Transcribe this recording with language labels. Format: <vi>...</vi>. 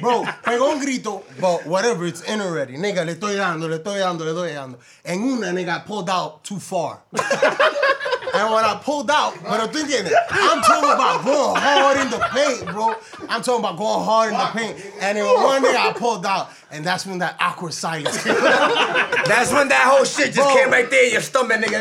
<en>Bro, pegó un grito, but whatever, it's in already.</en> <es>Nigga, le estoy dando, le estoy dando, le estoy dando.</es> <en>And una nigga pulled out too far. And when I pulled out, but I'm thinking, I'm talking about going hard in the paint, bro. I'm talking about going hard in the paint. And then one day I pulled out, and that's when that awkward silence came. That's when that whole shit just came right there in your stomach, nigga.</en>